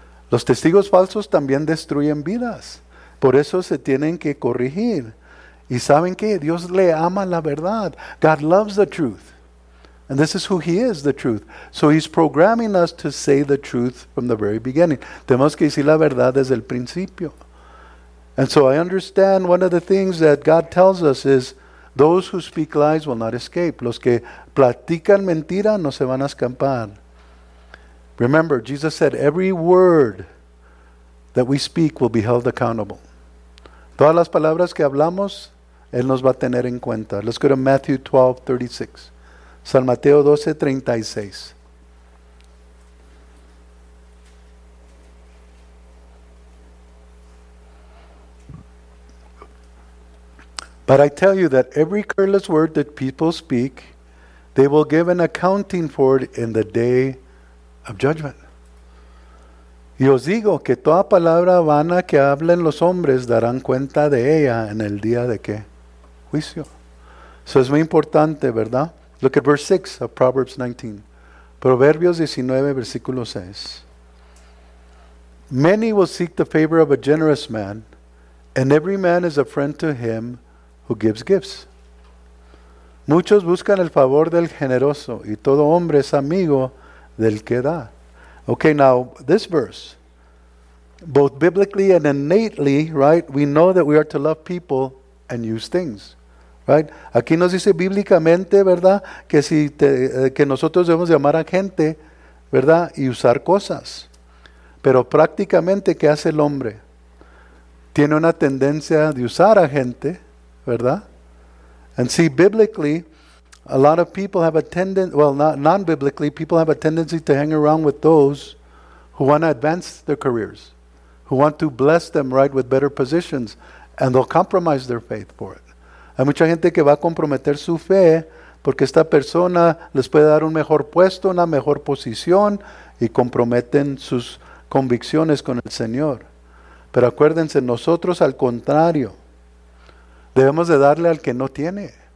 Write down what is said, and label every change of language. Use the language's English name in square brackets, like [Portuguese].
[Spanish] Los testigos falsos también destruyen vidas. Por eso se tienen que corregir. ¿Y saben qué? Dios le ama la verdad. [English] God loves the truth. And this is who he is, the truth. So he's programming us to say the truth from the very beginning. [Spanish] Tenemos que decir la verdad desde el principio. [English] And so I understand one of the things that God tells us is those who speak lies will not escape. [Spanish] Los que platican mentira no se van a escapar. [English] Remember, Jesus said, every word that we speak will be held accountable. [Spanish] Todas las palabras que hablamos, Él nos va a tener en cuenta. [English] Let's go to Matthew 12:36. San Mateo 12:36. But I tell you that every careless word that people speak, they will give an accounting for it in the day of judgment. [Spanish] Y os digo que toda palabra vana que hablen los hombres darán cuenta de ella en el día de qué? Juicio. Eso es muy importante, ¿verdad? [English] Look at verse 6 of Proverbs 19. [Spanish] Proverbios 19, versículo 6. [English] Many will seek the favor of a generous man, and every man is a friend to him who gives gifts. [Spanish] Muchos buscan el favor del generoso, y todo hombre es amigo del que da. [English] Okay, now, this verse, both biblically and innately, right, we know that we are to love people and use things. Right? [Spanish] Aquí nos dice bíblicamente, ¿verdad?, que si te, que nosotros debemos llamar a gente, ¿verdad?, y usar cosas. Pero prácticamente, ¿qué hace el hombre? Tiene una tendencia de usar a gente, ¿verdad? [English] And see, biblically, a lot of people have a tendency, well, non-biblically, people have a tendency to hang around with those who want to advance their careers, who want to bless them, right, with better positions, and they'll compromise their faith for it. [Spanish] Hay mucha gente que va a comprometer su fe porque esta persona les puede dar un mejor puesto, una mejor posición y comprometen sus convicciones con el Señor. Pero acuérdense, nosotros al contrario, debemos de darle al que no tiene.